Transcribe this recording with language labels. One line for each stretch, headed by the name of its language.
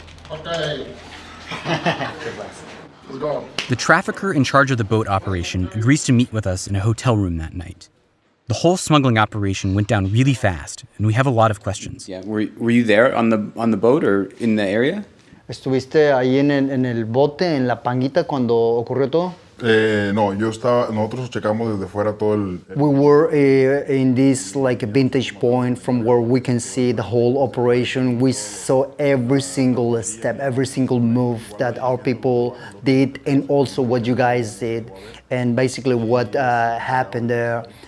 English: Okay. The trafficker in charge of the boat operation agrees to meet with us in a hotel room that night. The whole smuggling operation went down really fast, and we have a lot of questions. Yeah, were you there on the boat or in the area?
Spanish: ¿Estuviste ahí en el bote, en la panguita, cuando ocurrió todo? No, yo estaba, nosotros checamos desde fuera todo el...
English: We were in this like vintage point from where we can see the whole operation. We saw every single step, every single move that our people did, and also what you guys did, and basically what happened there.